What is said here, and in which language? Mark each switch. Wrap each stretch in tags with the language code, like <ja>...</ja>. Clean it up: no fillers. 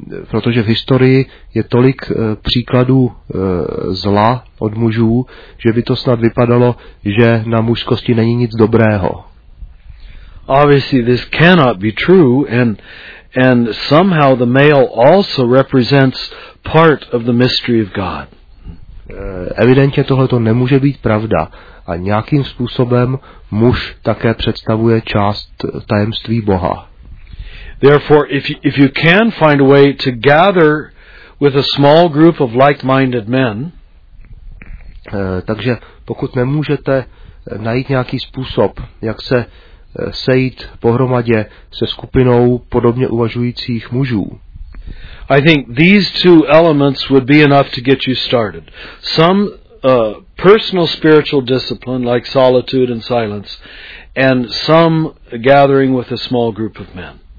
<cs>Protože v historii je tolik příkladů zla od mužů, že by to snad vypadalo, že na mužskosti není nic dobrého.</cs> <en>Obviously this cannot be true and somehow the male also represents part of the mystery of God.</en> <cs>Evidentně tohle to nemůže být pravda a nějakým způsobem muž také představuje část tajemství Boha.</cs> <en>Therefore if you can find a way to gather with a small group of like-minded men,</en> <cs>takže pokud nemůžete najít nějaký způsob, jak se sejít pohromadě se skupinou podobně uvažujících mužů,</cs> <en>I think these two elements would be enough to get you started. Some personal spiritual discipline like solitude and silence and some gathering with a small group of men.</en>